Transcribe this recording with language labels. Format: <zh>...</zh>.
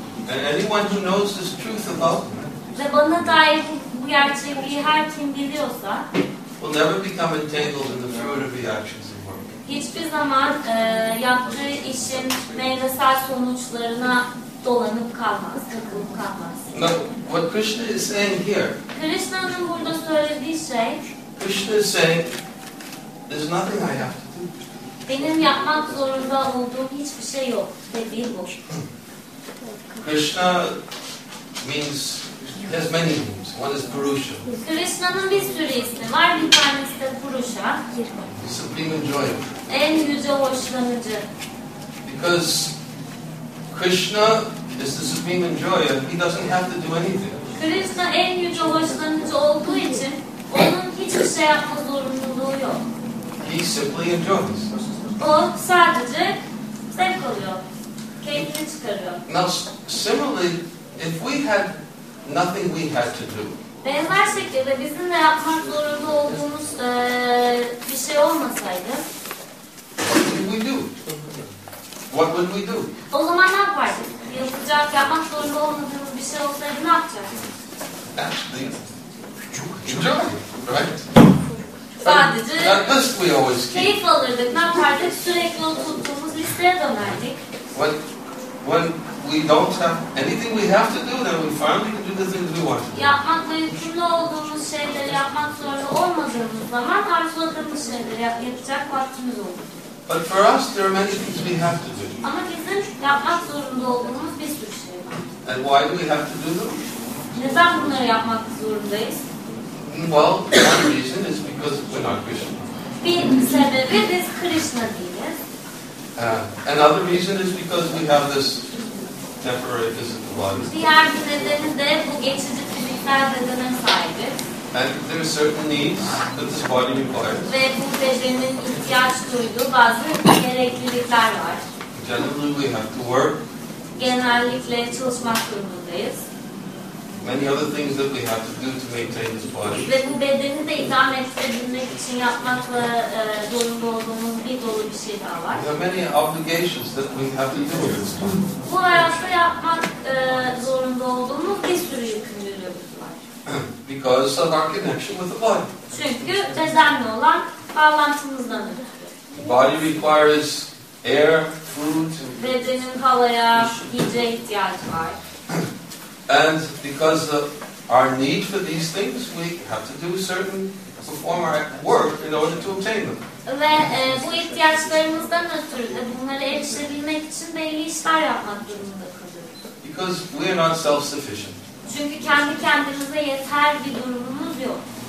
<en>And anyone who knows this truth about me.</en> <tr>Ve bana dair bu gerçekliği her kim biliyorsa.</tr> <en>Will never become entangled in the fruit of the actions of work.</en> <tr>Hiçbir zaman yaptığı işin meyvesel sonuçlarına dolanıp kalmaz, takılıp kalmaz.</tr> <en>Now, what Krishna is saying here.</en> <tr>Krishna'nın burada söylediği şey.</tr> <en>Krishna is saying. There's nothing I have to do.</en> <tr>Benim yapmak zorunda olduğum hiçbir şey yok. Dediği bu.</tr> <en>Krishna means has many names. One is Purusha.</en> <tr>Krishna'nın bir sürü ismi var. Bir tanesi de Purusha.</tr> <en>Supreme Enjoyer.</en> <tr>En yüce hoşlanıcı.</tr> <en>Because Krishna is the Supreme Enjoyer. He doesn't have to do anything.</en> <tr>Krishna en yüce hoşlanıcı olduğu için onun hiçbir şey yapma zorunluluğu yok.</tr> <en>He simply enjoys.</en> <tr>O sadece zevk alıyor. Keyfini çıkarıyor.</tr> <en>Now, similarly, if we had nothing we had to do.</en> <tr>Benzer şekilde bizim de yapmak zorunda olduğumuz bir şey olmasaydı.</tr> <en>What would we do? What would we do?</en> <tr>O zaman ne yapardık? Yapacak, yapmak zorunda olmadığımız bir şey olsaydı ne yapacaktık?</tr> <en>Actually, enjoy, right?</en> <tr>Sadece</tr> <en>that list we always keep.</en> <tr>Keyif alırdık. Ne yapardık? Sürekli tuttuğumuz listeye dönerdik.</tr> <en>When we don't have anything we have to do, then we finally can do the things we want to do.</en> <tr>Yapmak mümkün olduğumuz şeyleri yapmak zorunda olmadığımız zaman arzuladığımız şeyleri yapacak vaktimiz olur.</tr> <en>But for us, there are many things we have to do.</en> <tr>Ama bizim yapmak zorunda olduğumuz bir sürü şey var.</tr> <en>And why do we have to do them?</en> <tr>Neden bunları yapmak zorundayız?</tr> <en>Well, one reason is because we're not Krishna.</en> <tr>Bir sebebi biz Krishna değiliz.</tr> <en>Another reason is because we have this temporary physical body.</en> <tr>Diğer bir nedeni de bu geçici fiziksel bedene sahibiz.</tr> <en>And there are certain needs that this body requires.</en> <tr>Ve bu bedenin ihtiyaç duyduğu bazı gereklilikler var.</tr> <en>Generally we have to work.</en> <tr>Genellikle çalışmak zorundayız.</tr> <en>Many other things that we have to do to maintain this body.</en> <tr>Ve bu bedeni de idame ettirebilmek için yapmakla zorunda olduğumuz bir dolu bir şey daha var.</tr> <en>There are many obligations that we have to do.</en> <tr>Bu hayatta yapmak zorunda olduğumuz bir sürü yükümlülüğümüz var.</tr> <en>Because of our connection with the body.</en> <tr>Çünkü bedenle olan bağlantımızdan ötürü.</tr> <en>Body requires air, food.</en> <tr>Bedenin havaya, yiyeceğe ihtiyacı var.</tr> <en>And because of our need for these things, we have to do certain perform our work in order to obtain them.</en> <tr>Ve bu ihtiyaçlarımızdan ötürü de bunları erişebilmek için belli işler yapmak durumunda kalıyoruz.</tr> <en>Because we are not self-sufficient.</en> <tr>Çünkü kendi kendimize yeter bir durumumuz yok.</tr>